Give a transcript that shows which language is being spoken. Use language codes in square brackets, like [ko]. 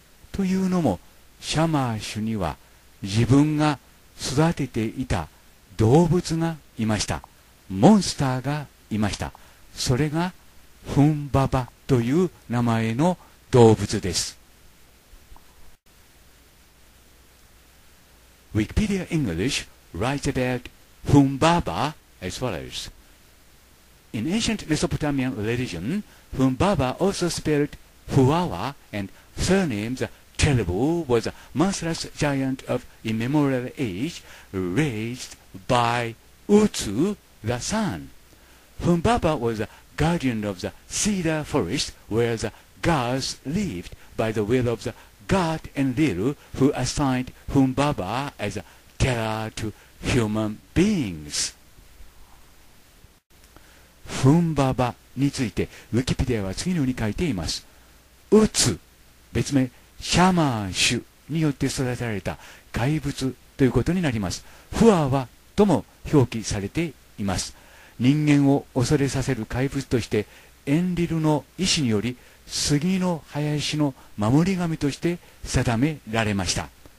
[ja] というのもシャマーシュには自分が育てていた動物がいました。モンスターがいました。それがフンババという名前の動物です。 [en] Wikipedia English writes about フンババ as follows. In ancient Mesopotamian religion, フンババ also spelled フワワ and surnames Telebu was a monstrous giant of immemorial age raised by Utsu,The sun. Humbaba was the guardian of the cedar forest where the gods lived by the will of the god Enlilu, who assigned Humbaba as a terror to human beings. [ja] Humbaba についてウィキペディアは次のように書いています。ウツ、別名シャマーシュによって育てられた怪物ということになります。フアワとも表記されています。人間を恐れさせる怪物としてエンリルの意志により杉の林の守り神として定められました。